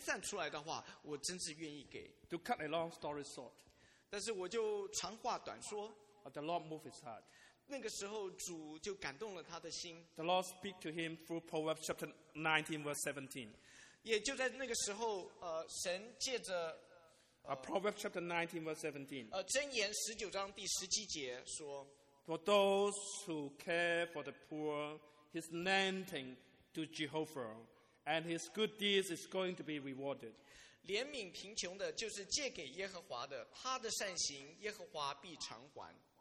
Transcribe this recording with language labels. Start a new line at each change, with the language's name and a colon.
Chinese: 他那个时候内心就跟神争辩说，主啊，如果我身上真的有零钱的话，可以把这一个银币有零钱分散出来的话，我真是愿意给。
English: To cut a long story short.
Chinese: 但是我就长话短说。
English: The Lord moved his heart.
Chinese: 那个时候主就感动了他的心。
English: The Lord speak to him through Proverbs chapter 19 verse 17.
Chinese: 也就在那个时候，神借着
English: Proverbs chapter 19 verse 17.
Chinese: 箴言19章第17节说,
English: For those who care for the poor, his lending to Jehovah, and his good deeds is going to be rewarded.
Chinese: 怜悯贫穷的就是借给耶和华的，他的善行耶和华必偿还。